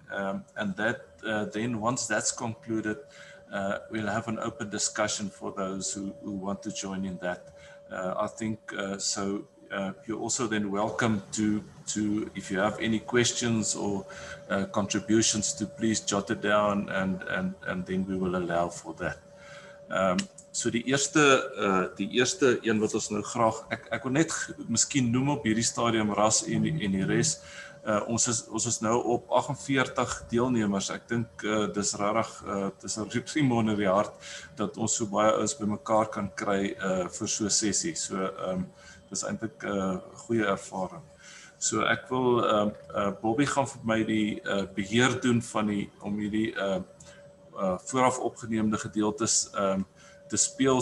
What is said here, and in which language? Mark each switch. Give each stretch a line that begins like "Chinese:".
English: And that then once that's concluded, we'll have an open discussion for those who want to join in that. I think so. You're also then welcome to if you have any questions or contributions, to please jot it down and then we will allow for that.
Afrikaans: So die eerste een wat ons nou graag ek wil net miskien noem op hierdie stadium Ras en die res. Ons is nou op 48 deelnemers. Ek dink dis regtig dis 'n riem onder die hart dat ons so baie ons by mekaar kan kry vir so 'n sessie. So dis eintlik 'n goeie ervaring. So ek wil Bobby gaan vir my die beheer doen van die om hierdie vooraf opgeneemde gedeeltes te speel.